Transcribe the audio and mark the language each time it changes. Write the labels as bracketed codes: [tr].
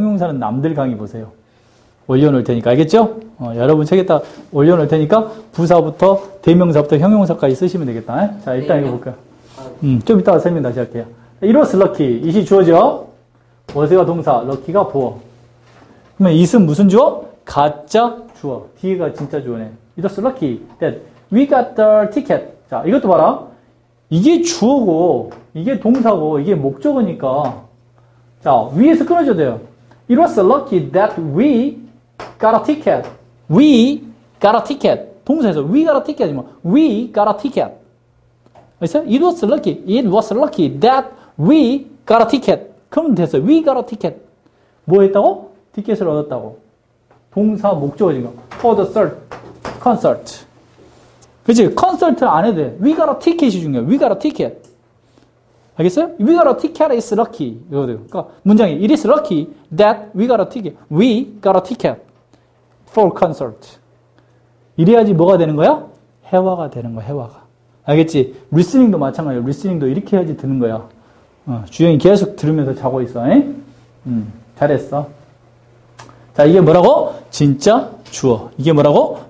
[ko] 형용사는 남들 강의 보세요. 올려놓을 테니까. 알겠죠? 여러분 책에다 올려놓을 테니까, 부사부터, 대명사부터, 형용사까지 쓰시면 되겠다. 에? 자, 일단 네, 읽어볼까요? 좀 이따가 설명 다시 할게요. [en] It was lucky. [ko] 이시 주어죠? 워스가 동사, 럭키가 보어. 그러면 이슨 무슨 주어? 가짜 주어. 뒤에가 진짜 주어네. [en] It was lucky that we got the ticket. [ko] 자, 이것도 봐라. 이게 주어고, 이게 동사고, 이게 목적어니까. 자, we에서 끊어져야 돼요. [en] It was lucky that we got a ticket. We got a ticket. 동사에서 we got a ticket. We got a ticket. It was lucky. It was lucky that we got a ticket. [ko] 그러면 됐어. [en] We got a ticket. [ko] 뭐 했다고? 티켓을 얻었다고. 동사 목적어진 거. [en] For the third concert. [ko] 그치? Concert 안 해도 돼. [en] We got a ticket이 중요해. We got a ticket. [ko] 알겠어요? [en] We got a ticket is lucky. [ko] 이거 그러니까 문장이 [en] It is lucky that we got a ticket. We got a ticket for concert. [ko] 이래야지 뭐가 되는 거야? 회화가 되는 거야. 회화가. 알겠지? 리스닝도 마찬가지예요. 리스닝도 이렇게 해야지 드는 거야. 주영이 계속 들으면서 자고 있어. 잘했어. 자, 이게 뭐라고? 진짜 주어. 이게 뭐라고?